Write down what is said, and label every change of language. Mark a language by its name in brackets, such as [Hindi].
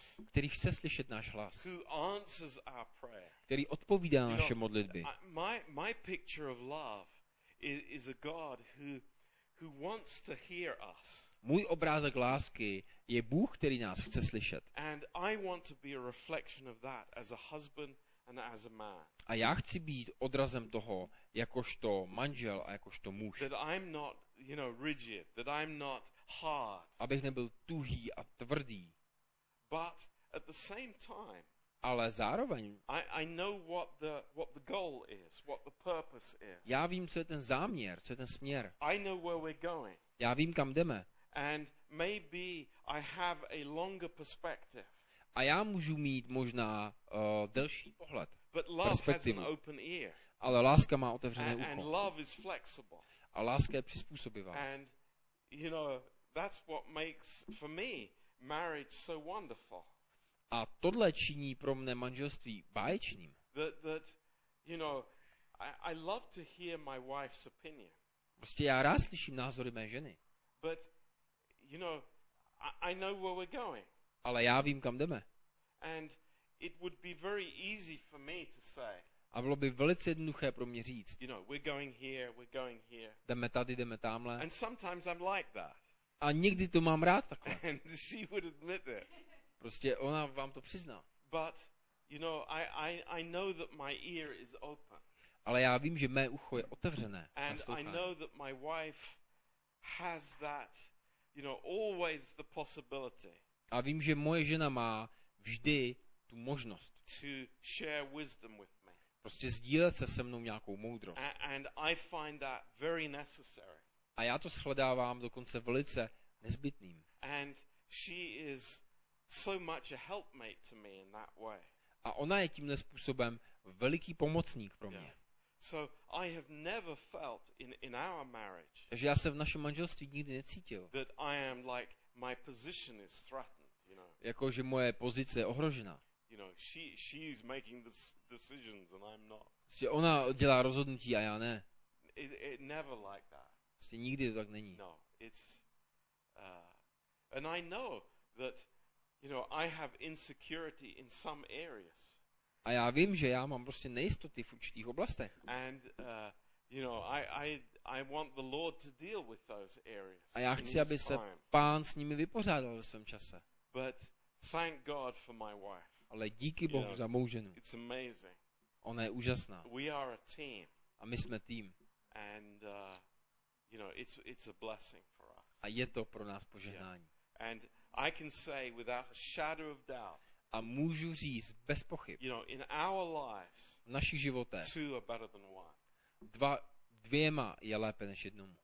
[Czech] který chce slyšet náš hlas, [English] who answers our prayer, [Czech] který odpovídá naše modlitby. [English] My picture of love is a God who wants to hear us. [Czech] Můj obrázek lásky je Bůh, který nás chce slyšet. [English] And I want to be a reflection of that as a husband and as a man. [Czech] A já chci být odrazem toho, jakožto manžel a jakožto muž. [English] That I'm not, you know, rigid, that I'm not hard. [Czech] Abych nebyl tuhý a tvrdý. [English] But at the same time, [Czech] ale zároveň, [English] I know what the goal is, what the purpose is. [Czech] Já vím, co je ten záměr, co je ten směr. [English] I know where we're going. [Czech] Já vím, kam jdeme. [English] And maybe I have a longer perspective. [Czech] A já můžu mít možná delší pohled, [English] but love [Czech] perspektivu. [English] Has an open ear. [Czech] Ale láska má otevřené ucho. [English] And love is flexible. [Czech] A láska je přizpůsobivá. [English] And you know, that's what makes for me marriage so wonderful. [Czech] A tohle činí pro mě manželství báječným. [English] That you know, I love to hear my wife's opinion. [Czech] Prostě já rád slyším názory mé ženy. [English] But you know, I know where we're going. [Czech] Ale já vím, kam jdeme. [English] And it would be very easy for me to say. [Czech] A bylo by velice jednoduché pro mě říct. [English] You know, we're going here, we're going here. [Czech] Jdeme tady, jdeme tamhle. [English] And sometimes I'm like that. [Czech] A někdy to mám rád takhle. [English] And she would admit it. [Czech] Prostě ona vám to přizná. [English] But you know, I know that my ear is open. [Czech] Ale já vím, že mé ucho je otevřené. [English] And I know that my wife has that, you know, always the possibility. [Czech] A vím, že moje žena má vždy tu možnost. [English] To share wisdom with me. [Czech] Prostě sdílet se se mnou nějakou moudrost. [English] And I find that very necessary. [Czech] A já to shledávám dokonce velice nezbytným. [English] And she is so much a helpmate to me in that way. [Czech] A ona je tímhle způsobem veliký pomocník pro mě. [English] So I have never felt in our marriage. [Czech] Takže já se v našem manželství nikdy necítil. [English] That I am like my position is threatened, you know. [Czech] Jakože moje pozice je ohrožena. [English] You know, she is making the decisions and I'm not. [Czech] Prostě ona dělá rozhodnutí a já ne. [English] It never like that. [Czech] Prostě nikdy to tak není. [English] No, it's and I know that, you know, I have insecurity in some areas. [Czech] A já vím, že já mám prostě nejistoty v určitých oblastech. [English] And you know, I want the Lord to deal with those areas. [Czech] A já chci, aby se Pán s nimi vypořádal ve svém čase. [English] But thank God for my wife. [Czech] Ale díky Bohu, [English] you know, [Czech] za mou ženu. [English] It's amazing. [Czech] Ona je úžasná. [English] We are a team. [Czech] A my jsme tým. [English] And you know, it's a blessing for us. [Czech] A je to pro nás požehnání. [English] Yeah. And I can say without a shadow of doubt. [Czech] A můžu říct bez pochyb. [English] You know, in our lives. [Czech] V našich životech. [English] Two are better than one. [Czech] Dvěma je lépe než jednomu.